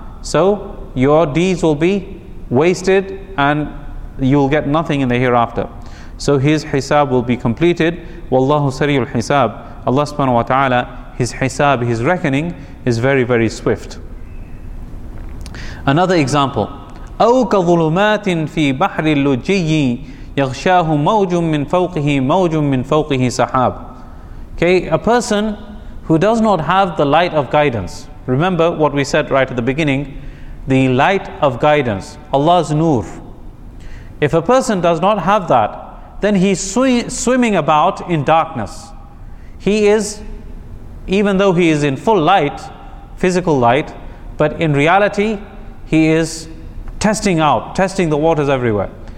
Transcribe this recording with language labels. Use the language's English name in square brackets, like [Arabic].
[English] So your deeds will be wasted and you will get nothing in the hereafter. So his hisab will be completed. [Arabic] Wallahu sariul hisab. [English] Allah subhanahu wa ta'ala, his hisab, his reckoning is very, very swift. Another example. [Arabic] أَوْ كَظُلُمَاتٍ فِي بَحْرِ اللُّجِّيِّ يَغْشَاهُ مَوْجٌ مِّن فَوْقِهِ مَوْجٌ مِّن فَوْقِهِ سَحَابٌ [English] Okay, a person who does not have the light of guidance. Remember what we said right at the beginning, the light of guidance, Allah's nur. If a person does not have that, then he's swimming about in darkness. He is, even though he is in full light, physical light, but in reality, he is testing the waters everywhere.